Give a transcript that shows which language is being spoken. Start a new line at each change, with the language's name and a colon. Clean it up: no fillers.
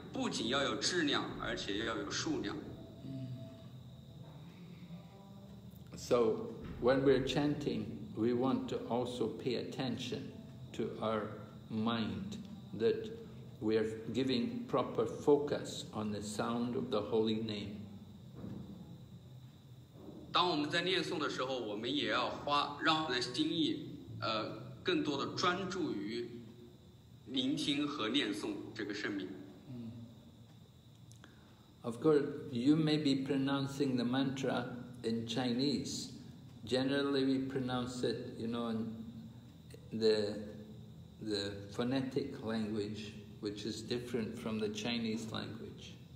Chinese: 这个帕布每天至少念诵32圈，有些时候他念诵64圈。当那个库什纳高斯瓦米知道这个帕布每天念诵很多圈的时候，他们的库什纳高斯瓦米就说：“我知道你每天念诵很多圈数，我很满意你的数量，但是我也想要你的念诵有质量，不仅要有质量，而且要有数量。”
English: When we're chanting, we want to also pay attention to our mind, that we are giving proper focus on the sound of the holy name.
Chinese: 当我们在念诵的时候，我们也要让我们的心意更多的专注于聆听和念诵这个圣名。
English: Of course, you may be pronouncing the mantra in Chinese. Generally, we pronounce it, you know, in the phonetic language, which is different from the Chinese language.